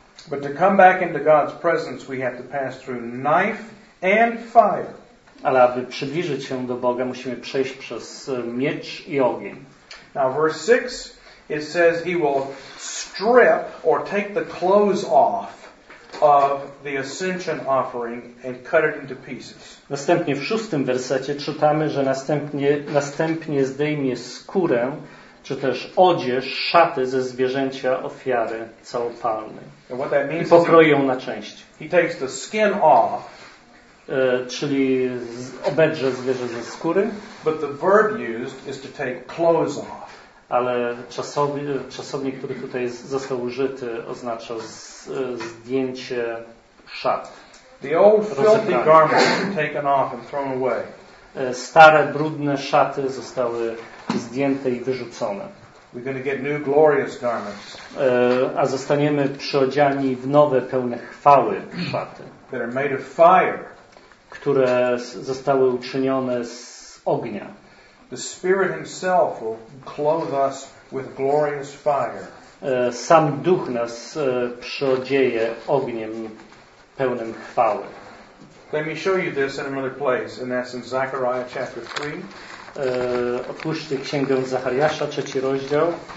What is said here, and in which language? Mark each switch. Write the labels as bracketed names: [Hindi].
[English] But to come back into God's presence, we have to pass through knife and fire. [Polish] Ale aby przybliżyć się do Boga, musimy przejść przez miecz i ogień. [English] Now verse 6, it says he will strip or take the clothes off of the ascension offering and cut it into pieces. [Polish] Następnie w szóstym wersecie czytamy, że następnie zdejmie skórę, czy też odzież, szaty ze zwierzęcia ofiary całopalnej. [English] And what that means [Polish] i pokroi ją na części. [English] He takes the skin off. [Polish] Czyli obedrze zwierzę ze skóry. [English] But the verb used is to take clothes off. [Polish] Ale czasownik, który tutaj został użyty, oznacza zdjęcie szat. [English] The old filthy garments were taken off and thrown away. [Polish] Stare, brudne szaty zostały zdjęte i wyrzucone. [English] We're going to get new glorious garments. [Polish] A zostaniemy przyodziani w nowe, pełne chwały szaty. [English] That are made of fire. [Polish] Które zostały uczynione z ognia. [English] The Spirit himself will clothe us with glorious fire. [Polish] Sam Duch nas przyodzieje ogniem pełnym chwały. [English] Let me show you this in another place, and that's in Zechariah chapter 3. [Polish] Otwórzcie księgę Zachariasza, trzeci rozdział.